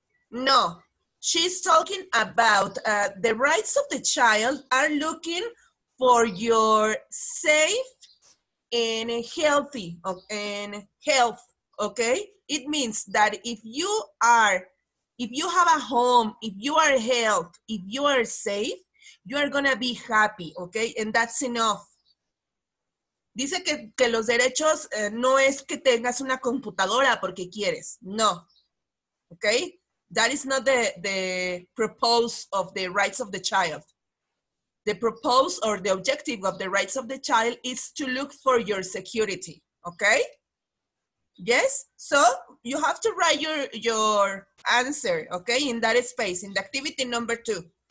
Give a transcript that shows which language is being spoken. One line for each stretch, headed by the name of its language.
English: No, she's talking about the rights of the child are looking for your safe and healthy and health, okay? It means that if you have a home, if you are health, if you are safe, you are gonna be happy, okay? And that's enough.
Spanish: Dice que los derechos no es que tengas una computadora porque quieres, no, okay?
English: That is not the purpose of the rights of the child. The purpose or the objective of the rights of the child is to look for your security, okay? Yes, so you have to write your answer, okay, in that space, in the activity number two.